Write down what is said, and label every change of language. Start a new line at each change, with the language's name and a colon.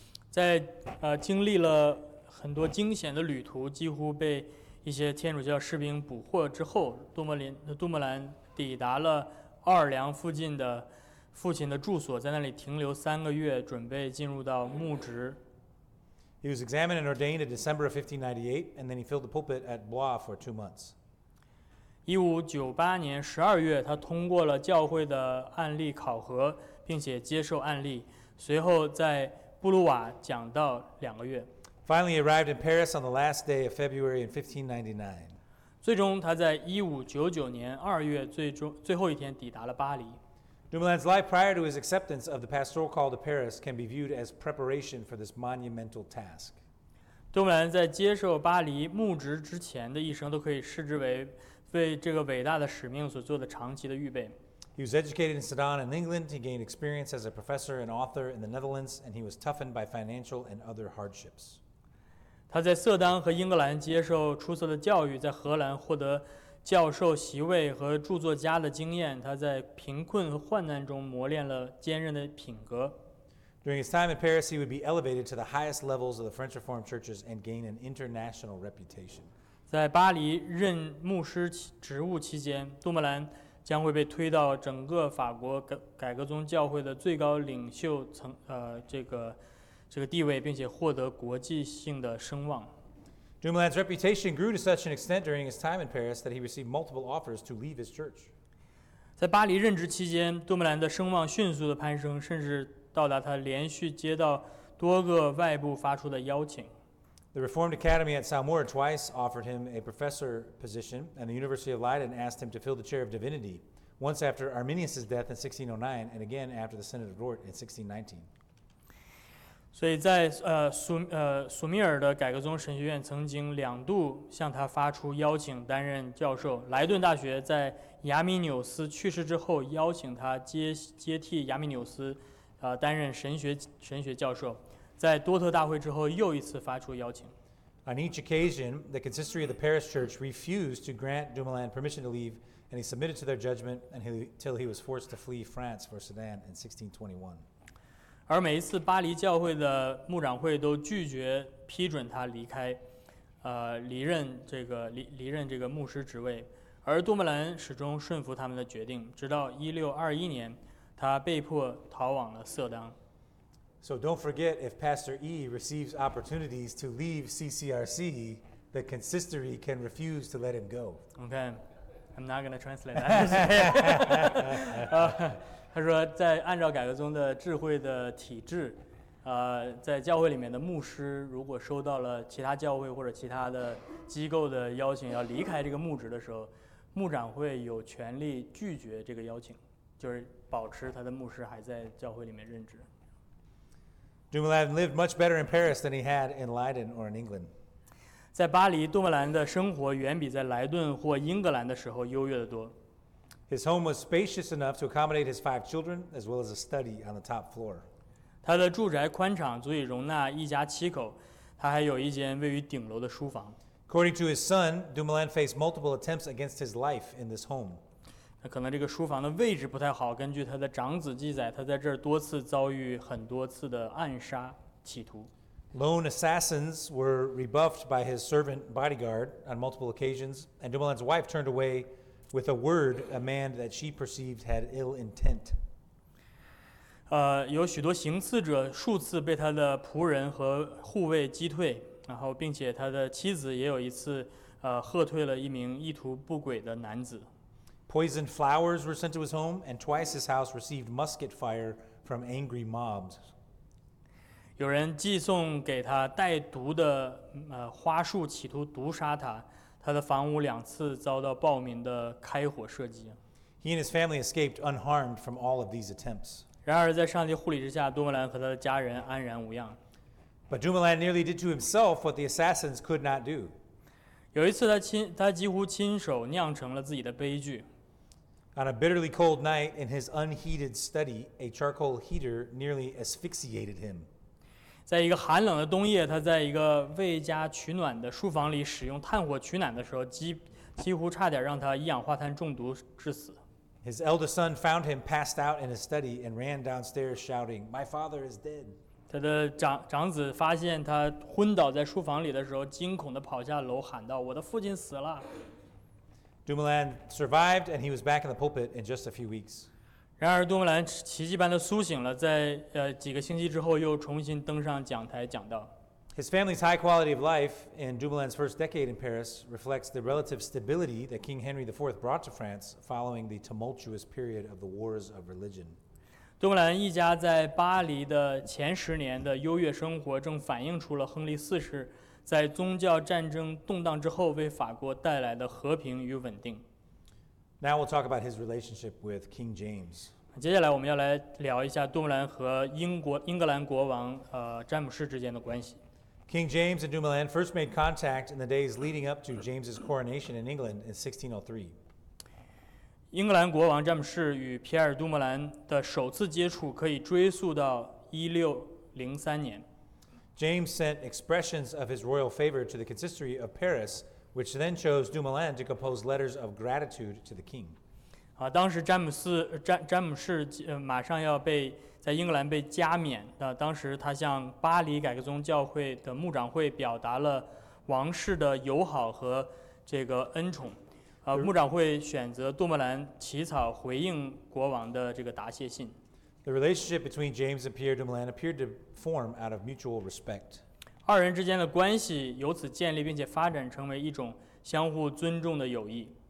Chinese: 在经历了很多惊险的旅途，几乎被一些天主教士兵捕获之后，杜莫兰抵达了奥尔良附近的父亲的住所，在那里停留三个月，准备进入到牧职。
English: He was examined and ordained in December of 1598, and then he filled the pulpit at Blois for 2 months.
Chinese: 1598年12月，他通过了教会的案例考核，并且接受案例，随后在布鲁瓦讲道两个月。
English: Finally, he arrived in Paris on the last day of February in 1599.
Chinese: 最终，他在1599年2月最后一天抵达了巴黎。
English: Dumoulin's life prior to his acceptance of the pastoral call to Paris can be viewed as preparation for this monumental task.
Chinese: Dumoulin 在接受巴黎牧职之前的一生都可以视之为为这个伟大的使命所做的长期的预备。
English: He was educated in Sedan in England. He gained experience as a professor and author in the Netherlands, and he was toughened by financial and other hardships.
Chinese: 他在色丹和英格兰接受出色的教育，在荷兰获得教授席位和著作家的经验，他在贫困和患难中磨练了坚韧的品格。
English: During his time in Paris, he would be elevated to the highest levels of the French Reformed churches and gain an international reputation.
Chinese: 在巴黎任牧师职务期间，杜莫兰将会被推到整个法国改革宗教会的最高领袖层这个地位，并且获得国际性的声望。
English: Dumoulin's reputation grew to such an extent during his time in Paris that he received multiple offers to leave his church.
Chinese: 在巴黎任职期间，杜莫兰的声望迅速的攀升，甚至到达他连续接到多个外部发出的邀请。
English: The Reformed Academy at Saumur twice offered him a professor position, and the University of Leiden asked him to fill the chair of divinity, once after Arminius's death in 1609, and again after the Synod of Dort in 1619.
Chinese: 所以在苏米尔的改革宗神学院曾经两度向他发出邀请担任教授，莱顿大学在亚米纽斯去世之后邀请他接替亚米纽斯担任神学教授，在多特大会之后又一次发出邀请。
English: On each occasion, the consistory of the Paris Church refused to grant Dumoulin permission to leave, and he submitted to their judgment until he was forced to flee France for Sedan in 1621.
Chinese: 而每一次巴黎教会的牧长会都拒绝批准他离开，离任这个牧师职位，而杜莫兰始终顺服他们的决定，直到1621年，他被迫逃往了色当。
English: So don't forget, if Pastor E receives opportunities to leave CCRC, the consistory can refuse to let him go. Okay, I'm not going to translate that.
Chinese: 他说在按照改革宗的智慧的体制，在教会里面的牧师如果收到了其他教会或者其他的机构的邀请要离开这个牧职的时候，牧长会有权利拒绝这个邀请，就是保持他的牧师还在教会里面任职。
English: Dumoulin lived much better in Paris than he had in Leiden or in England.
Chinese: 在巴黎，杜莫兰的生活远比在莱顿或英格兰的时候优越得多。
English: His home was spacious enough to accommodate his 5 children, as well as a study on the top floor.
Chinese: 他的住宅宽敞，足以容纳一家七口，他还有一间位于顶楼的书房。
English: According to his son, Dumoulin faced multiple attempts against his life in this home.
Chinese: 那可能这个书房的位置不太好，根据他的长子记载，他在这儿多次遭遇很多次的暗杀企图。
English: Lone assassins were rebuffed by his servant bodyguard on multiple occasions, and Dumoulin's wife turned away with a word, a man that she perceived had ill intent.
Chinese: 有许多行刺者数次被他的仆人和护卫击退，然后并且他的妻子也有一次喝退了一名意图不轨的男子。
English: Poisoned flowers were sent to his home, and twice his house received musket fire from angry mobs.
Chinese: 有人寄送给他带毒的花束，企图毒杀他。他的房屋两次遭到暴民的开火射击。
English: He and his family escaped unharmed from all of these attempts.
Chinese: 然而，在上帝护理之下，杜莫兰和他的家人安然无恙。
English: But Dumoulin nearly did to himself what the assassins could not do.
Chinese: 有一次，他几乎亲手酿成了自己的悲剧。
English: On a bitterly cold night in his unheated study, a charcoal heater nearly asphyxiated him.
Chinese: 在一个寒冷的冬夜，他在一个未加取暖的书房里使用炭火取暖的时候，几乎差点让他一氧化碳中毒致死。
English: His eldest son found him passed out in his study and ran downstairs shouting, "My father is dead."
Chinese: 他的长子发现他昏倒在书房里的时候，惊恐地跑下楼喊道，我的父亲死了。
English: Dumoulin survived and he was back in the pulpit in just a few weeks.
Chinese: 然而杜莫兰奇迹般地苏醒了，在几个星期之后又重新登上讲台讲道。
English: His family's high quality of life in Dumoulin's first decade in Paris reflects the relative stability that King Henry IV brought to France following the tumultuous period of the wars of religion.
Chinese: 杜莫兰一家在巴黎的前十年的优越生活正反映出了亨利四世在宗教战争动荡之后为法国带来的和平与稳定。
English: Now we'll talk about his relationship with King James.
Chinese: 接下来我们要来聊一下杜莫兰和英格兰国王詹姆士之间的关系。
English: King James and Dumoulin first made contact in the days leading up to James's coronation in England in 1603.
Chinese: 英格兰国王詹姆士与皮尔杜莫兰的首次接触可以追溯到1603年。
English: James sent expressions of his royal favor to the consistory of Paris, which then chose Dumoulin to compose letters of gratitude to the king.
Chinese: 当时詹姆士马上要被在英格兰被加冕，当时他向巴黎改革宗教会的牧长会表达了王室的友好和这个恩宠。牧长会选择杜莫兰起草回应国王的这个答谢信。
English: The relationship between James and Pierre Dumoulin appeared to form out of mutual respect.
Chinese: 二人之间的关系由此建立，并且发展成为一种相互尊重的友谊。